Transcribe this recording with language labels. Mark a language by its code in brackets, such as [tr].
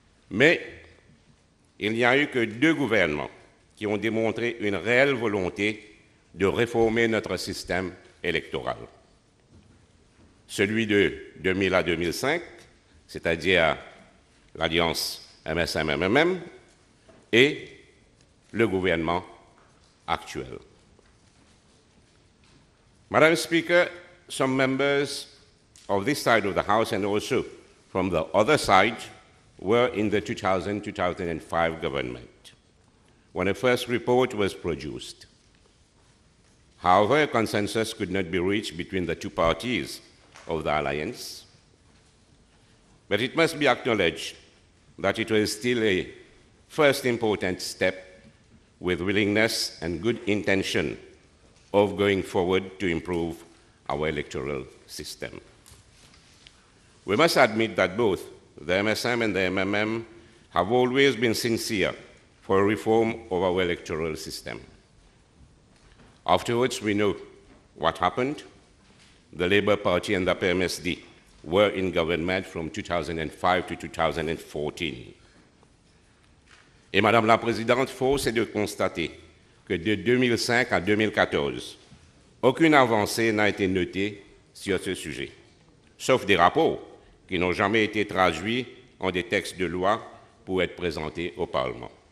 [fr] Mais il n'y a eu que deux gouvernements qui ont démontré une réelle volonté de réformer notre système électoral. Celui de 2000 à 2005, c'est-à-dire l'alliance MSM-MMM, et le gouvernement actuel. [en] Madam Speaker, some members of this side of the House and also from the other side were in the 2000-2005 government when a first report was produced. However, a consensus could not be reached between the two parties of the alliance. But it must be acknowledged that it was still a first important step with willingness and good intention of going forward to improve our electoral system. We must admit that both the MSM and the MMM have always been sincere for a reform of our electoral system. Afterwards, we know what happened. The Labour Party and the PMSD were in government from 2005 to 2014. [fr] Et Madame la Présidente, force est de constater que de 2005 à 2014, aucune avancée n'a été notée sur ce sujet, sauf des rapports qui n'ont jamais été traduits en des textes de loi pour être présentés au Parlement.